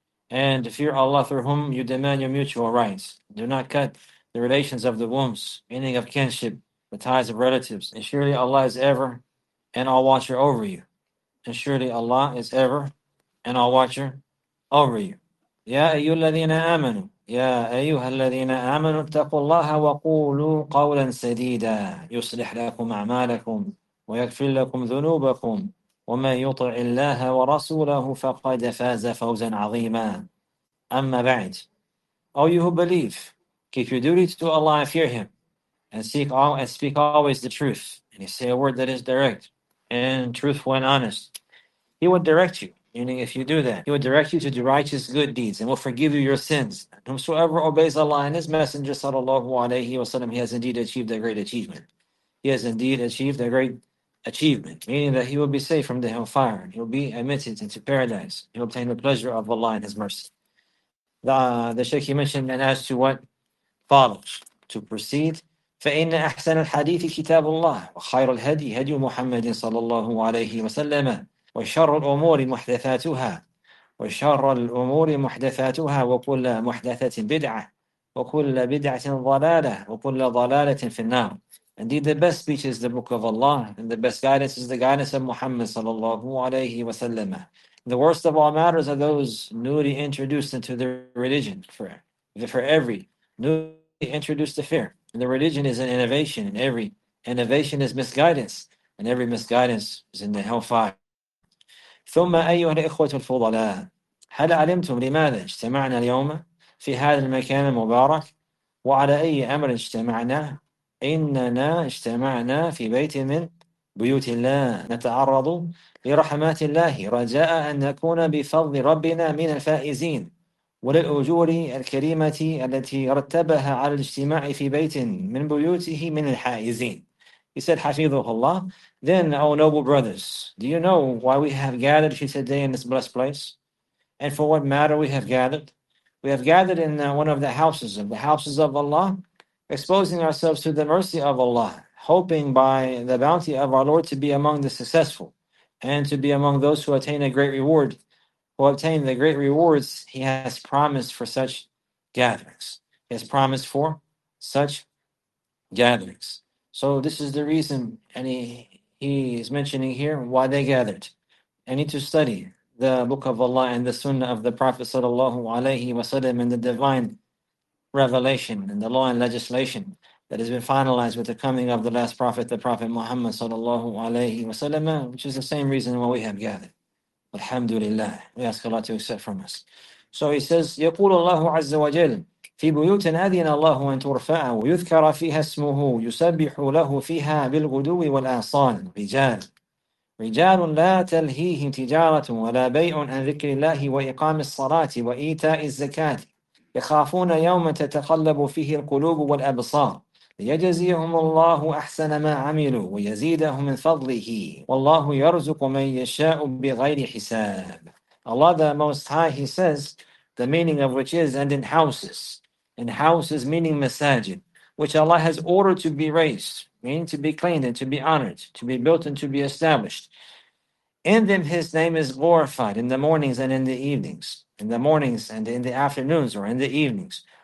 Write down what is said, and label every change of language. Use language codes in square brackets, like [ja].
[en] And fear Allah, through whom you demand your mutual rights. Do not cut the relations of the wombs, meaning of kinship, the ties of relatives. And surely Allah is ever and all watcher over you. And surely Allah is ever and all watcher over you. [ar] يا أيها الذين آمنوا يا أيها الذين آمنوا اتقوا الله وقولوا قولا سديدا يصلح لكم أعمالكم ويغفر لكم ذنوبكم ومن يطع الله ورسوله فقد فاز فوزا عظيما. أما بعد, [en] all you who believe, keep your duty to Allah and fear Him, and seek all and speak always the truth, and you say a word that is direct and truthful and honest, He will direct you. Meaning, if you do that, He will direct you to do righteous good deeds and will forgive you your sins. And whosoever obeys Allah and His Messenger, sallallahu alayhi wa sallam, he has indeed achieved a great achievement. He has indeed achieved a great achievement, meaning that he will be saved from the hellfire. He will be admitted into paradise. He will obtain the pleasure of Allah and His mercy. The Shaykh, he mentioned, and as to what follows, to proceed, [ar] فَإِنَّ أَحْسَنَ الْحَدِيثِ كِتَابُ اللَّهِ وَخَيْرُ الْهَدِي هَدْيُ مُحَمَّدٍ [en] sallallahu alayhi wa sallam. [ar] وشر الأمور محدثاتها وشر الأمور محدثاتها وكل محدثة بدعة وكل بدعة ضلالة وكل ضلالة في النار. [en] Indeed, the best speech is the book of Allah, and the best guidance is the guidance of Muhammad sallallahu alayhi wa sallam. The worst of all matters are those newly introduced into the religion. For every newly introduced to fear, and the religion is an innovation, and every innovation is misguidance, and every misguidance is in the hellfire. [ar] ثم أيها الإخوة الفضلاء هل علمتم لماذا اجتمعنا اليوم في هذا المكان المبارك وعلى أي أمر اجتمعنا؟ إننا اجتمعنا في بيت من بيوت الله نتعرض لرحمات الله رجاء أن نكون بفضل ربنا من الفائزين وللأجور الكريمة التي رتبها على الاجتماع في بيت من بيوته من الحائزين. [en] He said, [ar] حفظه الله. [en] Then, O noble brothers, do you know why we have gathered here today in this blessed place? And for what matter we have gathered? We have gathered in one of the houses of Allah, exposing ourselves to the mercy of Allah, hoping by the bounty of our Lord to be among the successful and to be among those who attain a great reward, who obtain the great rewards He has promised for such gatherings. He has promised for such gatherings. So this is the reason, and he is mentioning here why they gathered. They need to study the Book of Allah and the Sunnah of the Prophet sallallahu alaihi wasallam and the divine revelation and the law and legislation that has been finalized with the coming of the last Prophet, the Prophet Muhammad sallallahu alaihi wasallam, which is the same reason why we have gathered. Alhamdulillah. We ask Allah to accept from us. So he says, [ar] يقول الله عز وجل في بيوت أذن الله أن ترفع ويذكر فيها اسمه يسبح له فيها بالغدو والآصال رجال رجال لا تلهيهم تجارة ولا بيع عن ذكر الله وإقام الصلاة وإيتاء الزكاة يخافون يوما تتقلب فيه القلوب والأبصار ليجزيهم الله أحسن ما عملوا ويزيدهم من فضله والله يرزق من يشاء بغير حساب. [en] Allah the Most High, He says, the meaning of which is, and in houses. In houses meaning masajid, which Allah has ordered to be raised, meaning to be cleaned and to be honored, to be built and to be established. In them His name is glorified in the mornings and in the evenings, in the mornings and in the afternoons or in the evenings.